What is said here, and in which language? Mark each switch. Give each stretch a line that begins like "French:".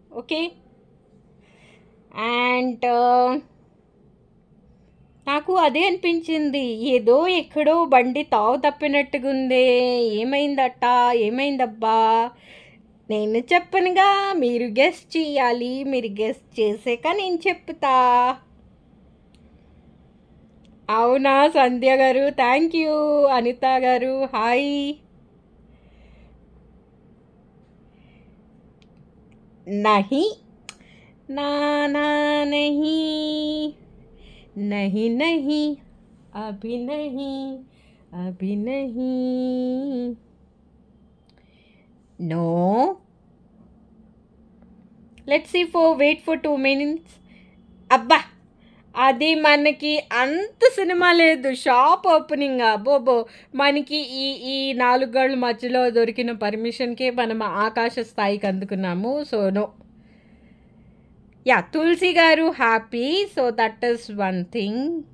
Telugu: Okay, and నాకు అదే అనిపించింది, ఏదో ఎక్కడో బండి తావు తప్పినట్టుగుంది, ఏమైందట ఏమైందబ్బా, నేను చెప్పనుగా మీరు గెస్ చేయాలి, మీరు గెస్ చేసాక నేను చెప్తా. అవునా సంధ్య గారు
English: thank you, Anitha garu hi,
Hindi: నహి నానా నహి नहीं नहीं अभी नहीं
English: अभी नहीं, no let's see for wait for two minutes.
Telugu: अब्बा అది మనకి అంత సినిమా లేదు, షాప్ ఓపెనింగ్ అబోబో, మనకి ఈ ఈ నాలుగు గోళ్ళ మధ్యలో దొరికిన పర్మిషన్కే మనం ఆకాశ స్థాయికి అందుకున్నాము, సో నో.
English: Yeah Tulasi garu happy, so that is one thing.